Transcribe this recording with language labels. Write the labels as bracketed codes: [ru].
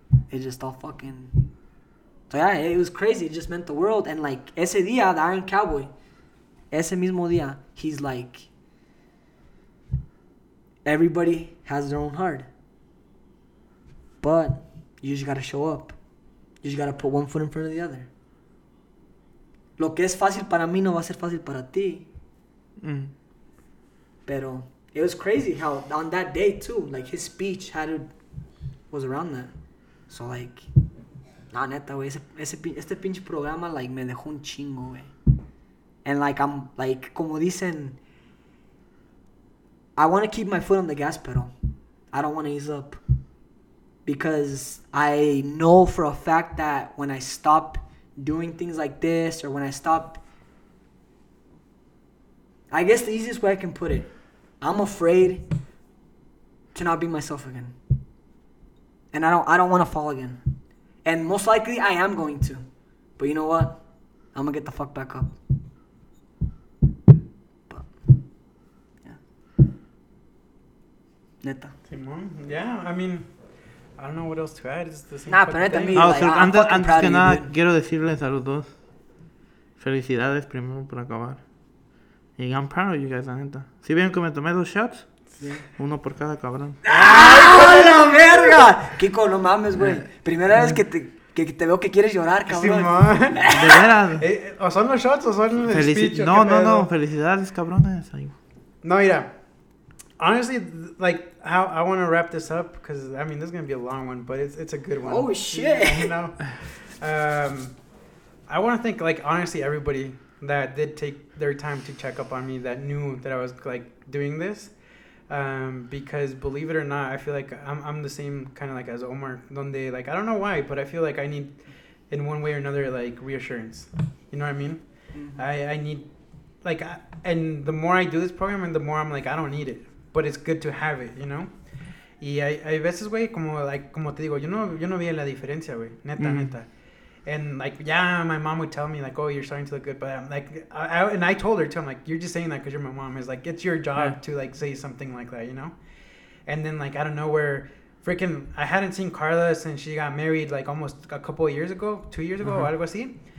[en] It just all fucking, so yeah, it was crazy, it just meant the world. And like, [es] ese día, [en] the Iron Cowboy, [es] ese mismo día, [en] he's like, everybody has their own heart, but you just gotta show up, you just gotta put one foot in front of the other. [es] Lo que es fácil para mí no va a ser fácil para ti. Mm. [en] Pero it was crazy how on that day too, like his speech had it, was around that. [es] So like, nah, neta, güey, este pinche programa like me dejó un chingo, güey. [en] And like, I'm like, [es] como dicen, [en] I want to keep my foot on the gas pedal. I don't want to ease up, because I know for a fact that when I stop doing things like this, or when I stop, I guess the easiest way I can put it, I'm afraid to not be myself again, and I don't want to fall again, and most likely I am going to, but you know what, I'm gonna get the fuck back up. But yeah, neta. Simón, yeah, I mean, I don't know what else to add. It's the same. [es] Nah, pero también. Antes que nada, quiero decirles a los dos felicidades primero por acabar. [en] Y I'm proud of you guys, [es] la neta. ¿Sí ven que me tomé dos shots? Sí. Uno por cada cabrón. ¡Ah, la verga! Kiko, no mames, güey. Primera vez que te veo que quieres llorar, cabrón. Sí, man. De veras. ¿O son los shots o son el speech? No. Felicidades, cabrones. Ay. No, mira. [en] Honestly, like, how I want to wrap this up, because I mean, this is gonna be a long one, but it's a good one. Oh shit! You know, I want to thank, like, honestly, everybody that did take their time to check up on me, that knew that I was like doing this, because believe it or not, I feel like I'm the same kind of like as Omar, donde, like, I don't know why, but I feel like I need, in one way or another, like reassurance. You know what I mean? Mm-hmm. I need, like, and the more I do this program, and the more I'm like, I don't need it. But it's good to have it, you know? [es] Y hay veces, güey, como, like, como te digo, yo no vi la diferencia, güey. Neta, mm-hmm. neta. [en] And, like, yeah, my mom would tell me, like, oh, you're starting to look good. But I'm like, and I told her, too. I'm like, you're just saying that because you're my mom. It's like, it's your job to, like, say something like that, you know? And then, like, out of nowhere, freaking, I hadn't seen Carla since she got married, like, almost a couple of years ago, 2 years ago, mm-hmm. [es] algo así.